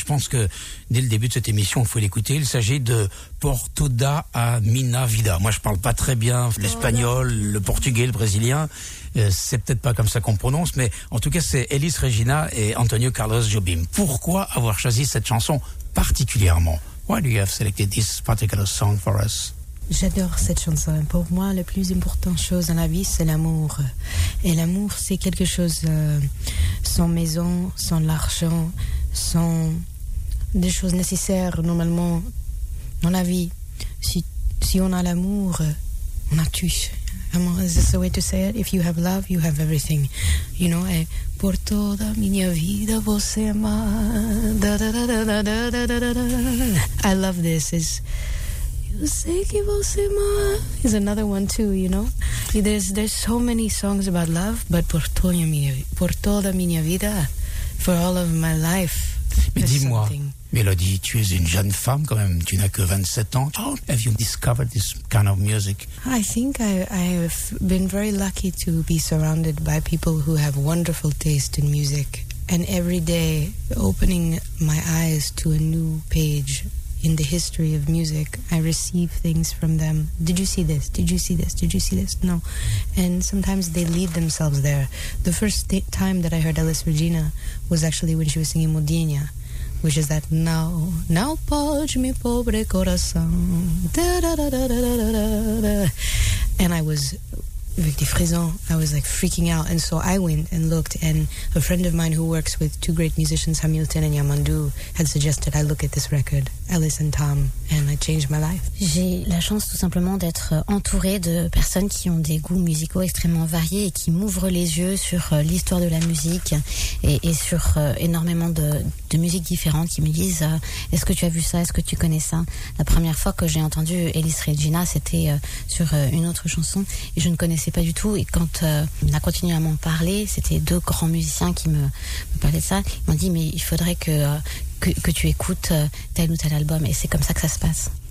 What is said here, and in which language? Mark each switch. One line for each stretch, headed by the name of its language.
French: Et je pense que dès le début de cette émission, il faut l'écouter. Il s'agit de Por Toda a Minha Vida. Moi, je ne parle pas très bien l'espagnol, le portugais, le brésilien. C'est peut-être pas comme ça qu'on prononce, mais en tout cas, c'est Elis Regina et Antonio Carlos Jobim. Pourquoi avoir choisi cette chanson particulièrement?
English: Why do you have selected this particular song for us?
French: J'adore cette chanson. Pour moi, la plus importante chose dans la vie, c'est l'amour. Et l'amour, c'est quelque chose sans maison, sans l'argent, sans des choses nécessaires normalement dans la vie. Si on a l'amour, on a tout.
English: Is this the way to say it? If you have love, you have everything. You know, et
Portuguese: por toda minha vida você ama. Da, da, da, da, da, da, da, da, da.
English: I love this. It's,
Portuguese: eu sei que você ama.
English: Is another one too, you know? There's so many songs about love, but por toda minha vida, for all of my life.
French: Mais dis-moi, Mélodie, tu es une jeune femme quand même, tu n'as que 27 ans.
English: How have you discovered this kind of music? I think I have been very lucky to be surrounded by people who have wonderful taste in music. And every day, opening my eyes to a new page in the history of music, I receive things from them. Did you see this? Did you see this? Did you see this? No. And sometimes they lead themselves there. The first time that I heard Elis Regina was actually when she was singing Modinha, which is that now pode me pobre coração. And I was
French: avec des frisons.
English: I was like freaking out, and so I went and looked, and a friend of mine who works with two great musicians, Hamilton and Yamandou, had suggested I look at this record, Alice and Tom, and it changed my life.
French: J'ai la chance tout simplement d'être entourée de personnes qui ont des goûts musicaux extrêmement variés et qui m'ouvrent les yeux sur l'histoire de la musique et sur énormément de musiques différentes, qui me disent est-ce que tu as vu ça, est-ce que tu connais ça. La première fois que j'ai entendu Elis Regina, c'était sur une autre chanson et je ne connaissais pas du tout, et quand on a continué à m'en parler, c'était deux grands musiciens qui me parlaient de ça, ils m'ont dit mais il faudrait que tu écoutes tel ou tel album, et c'est comme ça que ça se passe.